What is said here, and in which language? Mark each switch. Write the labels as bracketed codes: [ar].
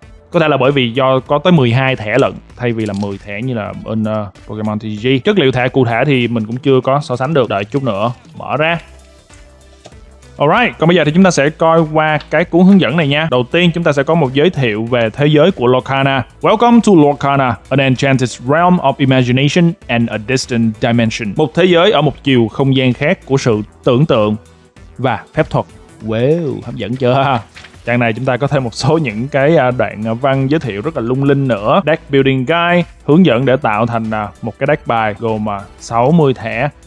[vi] Có thể là bởi vì do có tới 12 thẻ lận thay vì là 10 thẻ như là in Pokemon TCG. Chất liệu thẻ cụ thể thì mình cũng chưa có so sánh được. Đợi chút nữa, mở ra. [en] Alright, [vi] còn bây giờ thì chúng ta sẽ coi qua cái cuốn hướng dẫn này nha. Đầu tiên chúng ta sẽ có một giới thiệu về thế giới của Lorcana. [en] Welcome to Lorcana, an enchanted realm of imagination and a distant dimension. [vi] Một thế giới ở một chiều không gian khác của sự tưởng tượng và phép thuật. Wow, hấp dẫn chưa? Trang này chúng ta có thêm một số những cái đoạn văn giới thiệu rất là lung linh nữa. [en] Deck Building Guide, [vi] hướng dẫn để tạo thành một cái deck bài gồm 60 thẻ.